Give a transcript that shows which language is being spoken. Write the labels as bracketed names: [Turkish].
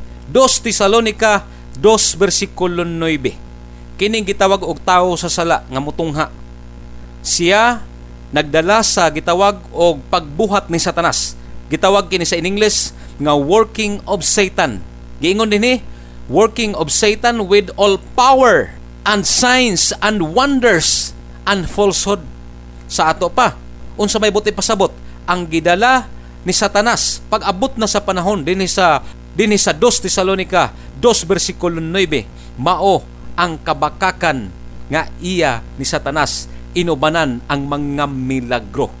[Cebuano] 2 Tesalonica 2:9, kining gitawag og tao sa sala nga mutungha. Siya nagdala sa gitawag og pagbuhat ni Satanas. Gitawag kini sa in English nga [English] working of Satan. [Cebuano] Giingon dinhi, [English] working of Satan with all power and signs and wonders and falsehood. [Cebuano] Sa ato pa, unsa may buti pasabot, ang gidala ni Satanas pag-abot na sa panahon dinhi sa 2 Tesalonica 2:9, mao ang kabakakan nga iya ni Satanas inubanan ang mga milagro.